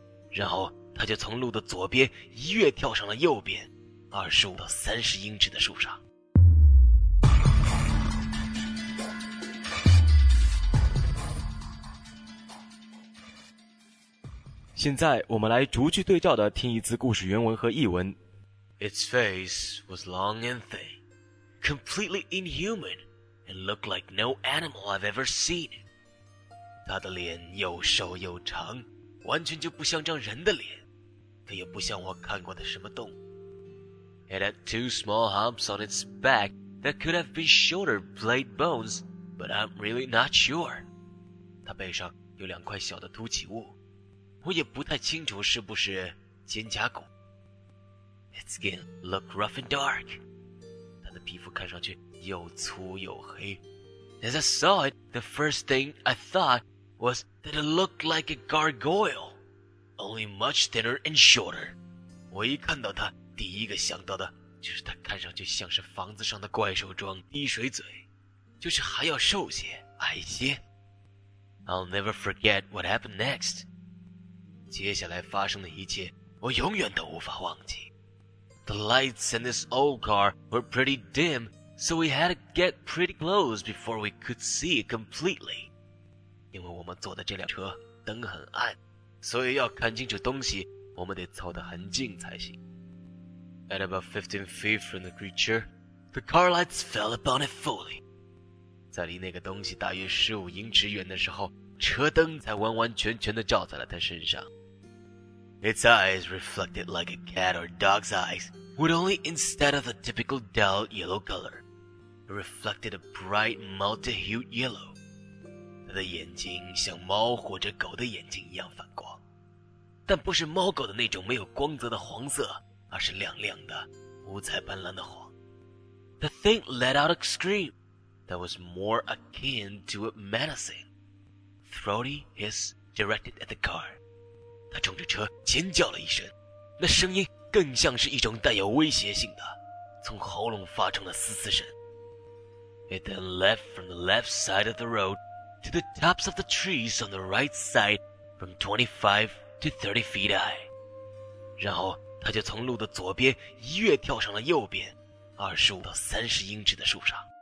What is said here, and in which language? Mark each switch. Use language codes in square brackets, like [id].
[zh] 然后他就从路的左边一跃跳上了右边25到30英尺的树上。现在我们来逐句对照的听一次故事原文和译文。 [en] Its face was long and thin, completely inhuman, and looked like no animal I've ever seen. [zh] 它的脸又瘦又长，完全就不像张人的脸，可也不像我看过的什么动物。 [en] It had two small humps on its back that could have been shoulder blade bones, but I'm really not sure. [zh] 它背上有两块小的凸起物，我也不太清楚是不是肩胛骨。 [en] Its skin looked rough and dark. [zh] 它的皮肤看上去又粗又黑。 [en] As I saw it, the first thing I thought was that it looked like a gargoyle, only much thinner and shorter. [zh] 我一看到它，第一个想到的就是它看上去像是房子上的怪兽状滴水嘴，就是还要瘦些矮些。 [en] I'll never forget what happened next. [zh] 接下来发生的一切我永远都无法忘记。 [en] The lights in this old car were pretty dim, so we had to get pretty close before we could see it completely. [zh] 因为我们坐的这辆车灯很暗，所以要看清楚东西我们得凑得很近才行。 [en] At about 15 feet from the creature, the car lights fell upon it fully. [zh] 在离那个东西大约15英尺远的时候，车灯才完完全全地照在了它身上。 [en] Its eyes reflected like a cat or dog's eyes, with only instead of the typical dull yellow color, it reflected a bright multi-hued yellow. [zh] 他的眼睛像猫或者狗的眼睛一样反光，但不是猫狗的那种没有光泽的黄色，而是亮亮的五彩斑斓的黄。 [en] The thing let out a scream that was more akin to a menacing throaty hiss directed at the car. [zh] 他冲着车尖叫了一声，那声音更像是一种带有威胁性的从喉咙发出的嘶嘶声。 [en] It then left from the left side of the road to the tops of the trees on the right side from 25 to 30 feet high. [zh] 然后他就从路的左边一跃跳上了右边25到30英尺的树上。